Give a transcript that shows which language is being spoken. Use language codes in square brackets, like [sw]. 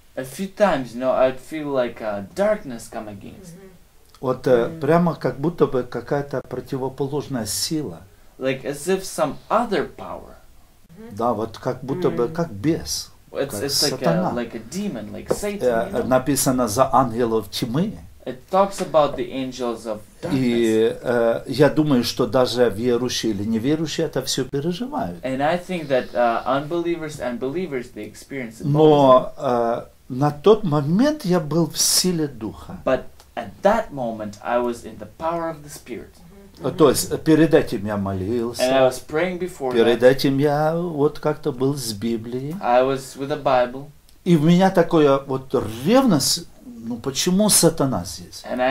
[en] A few times, you know, I'd feel like a darkness come against. [ru] Вот прямо как будто бы какая-то противоположная сила. [en] Like as if some other power. [ru] Да, вот как будто бы, как бес. [en] It's like a demon, like Satan. You know? [ru] Написано за ангелов тьмы. [en] It talks about the angels of darkness. [ru] И я думаю, что даже верующие или неверующие это все переживают. [en] And I think that unbelievers and believers they experience it. [ru] Но на тот момент я был в силе духа. [en] But at that moment I was in the power of the spirit. [ru] То есть перед этим я молился, перед этим я вот как-то был с Библией, и у меня такая вот ревность, ну почему сатана здесь?